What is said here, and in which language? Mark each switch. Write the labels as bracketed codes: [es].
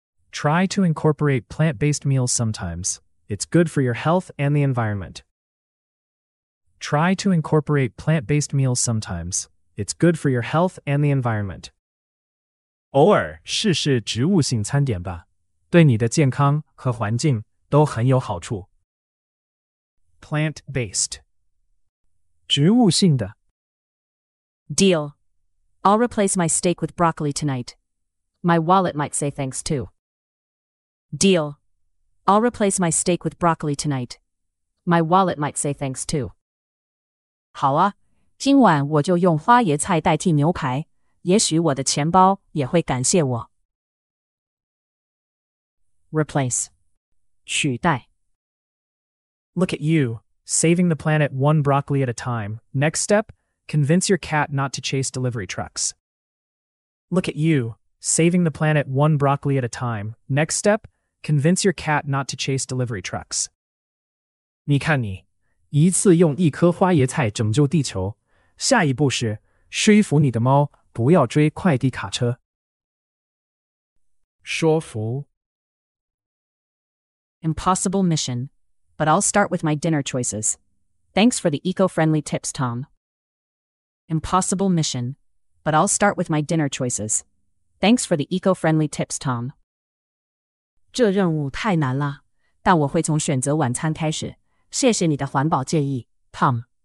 [en] Try to incorporate plant-based meals sometimes. It's good for your health and the environment. Try to incorporate plant-based meals sometimes. It's good for your health and the environment. [zh] 偶尔试试植物性餐点吧，对你的健康和环境都很有好处。 [en] Plant-based. [zh] 植物性的。 [en] Deal. I'll replace my steak with broccoli tonight. My wallet might say thanks too. Deal. I'll replace my steak with broccoli tonight. My wallet might say thanks too. [zh] 好啊，今晚我就用花椰菜代替牛排，也许我的钱包也会感谢我。 [en] Replace. [zh] 取代。 [en] Look at you, saving the planet one broccoli at a time. Next step? Convince your cat not to chase delivery trucks. Look at you, saving the planet one broccoli at a time. Next step, convince your cat not to chase delivery trucks. [zh] 你看你，一次用一颗花椰菜拯救地球，下一步是说服你的猫不要追快递卡车。说服。 [en] Impossible mission, but I'll start with my dinner choices. Thanks for the eco-friendly tips, Tom. Impossible mission, but I'll start with my dinner choices. Thanks for the eco-friendly tips, Tom. [zh] 这任务太难了，但我会从选择晚餐开始。谢谢你的环保建议 ，Tom.